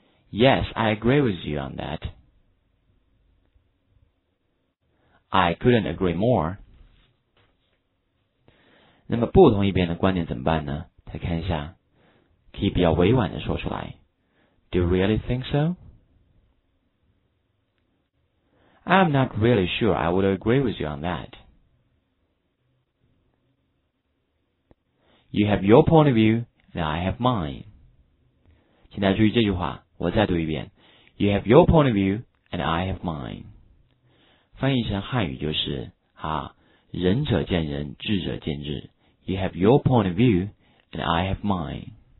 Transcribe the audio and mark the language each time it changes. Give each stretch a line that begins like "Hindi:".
English: Yes, I agree with you on that. I couldn't agree more.
Chinese: 那么不同意别人的观点怎么办呢？再看一下，可以比较委婉的说出来。
English: Do you really think so? I'm not really sure I would agree with you on that. You have your point of view, and I have mine.
Chinese: 请大家注意这句话，我再读一遍。
English: You have your point of view, and I have mine.
Chinese: 翻译成汉语就是，仁者见仁，智者见智。
English: You have your point of view, and I have mine.